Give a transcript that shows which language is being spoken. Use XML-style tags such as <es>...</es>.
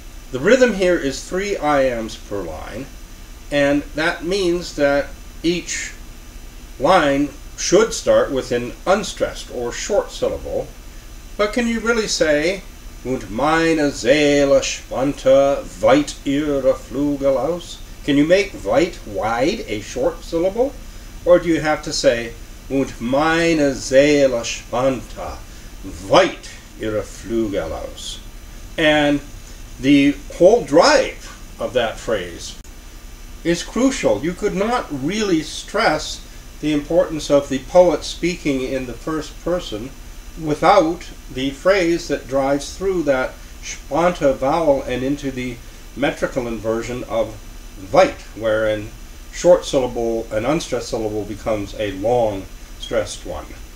<en>The rhythm here is 3 iambs per line, and that means that each line should start with an unstressed or short syllable, but can you really say,</en> <de>Und meine Seele spannte weit ihre Flügel aus?</de> <en>Can you make weit, wide, a short syllable? Or do you have to say,</en> <de>und meine Seele spannte weit ihre Flügel aus.</de> <en>And the whole drive of that phrase is crucial. You could not really stress the importance of the poet speaking in the first person without the phrase that drives through that spannte vowel and into the metrical inversion of weit, wherein short syllable, an unstressed syllable, becomes a long stressed one.</en>